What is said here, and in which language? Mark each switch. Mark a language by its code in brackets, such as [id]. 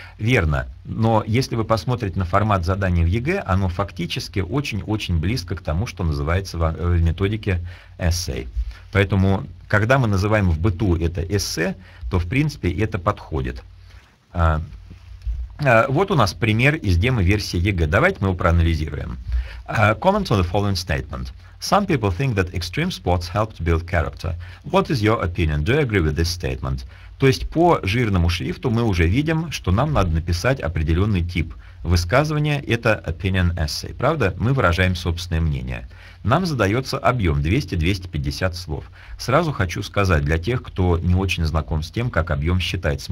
[ru] Верно, но если вы посмотрите на формат задания в ЕГЭ, оно фактически очень-очень близко к тому, что называется в методике эссе. Поэтому, когда мы называем в быту это эссе, то, в принципе, это подходит. Вот у нас пример из демо-версии ЕГЭ. Давайте мы его проанализируем. [en] Comment on the following statement. Some people think that extreme sports help to build character. What is your opinion? Do you agree with this statement? [ru] То есть по жирному шрифту мы уже видим, что нам надо написать определенный тип высказывания. Это opinion essay. Правда? Мы выражаем собственное мнение. Нам задается объем 200-250 слов. Сразу хочу сказать для тех, кто не очень знаком с тем, как объем считается.